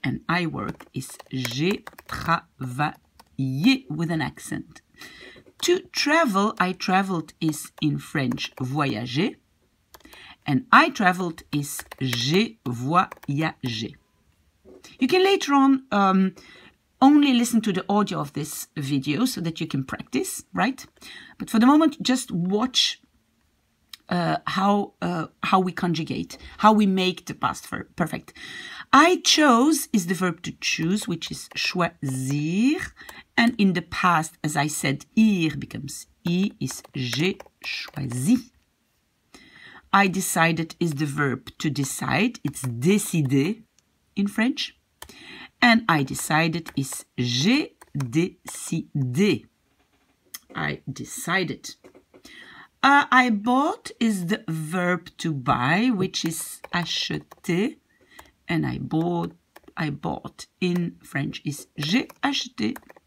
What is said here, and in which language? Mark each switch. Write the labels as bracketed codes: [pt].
[en] And I worked is [fr] j'ai travaillé [en] with an accent. To travel, I traveled is in French voyager. And I traveled is [fr] j'ai voyagé. [en] You can later on only listen to the audio of this video so that you can practice, right? But for the moment, just watch how we conjugate, how we make the past perfect. I chose is the verb to choose, which is choisir. And in the past, as I said, ir becomes I is [fr] j'ai choisi. [en] I decided is the verb to decide. It's décider in French. And I decided is [fr] j'ai décidé. [en] I decided. I bought is the verb to buy, which is acheter. And I bought in French is [fr] j'ai acheté.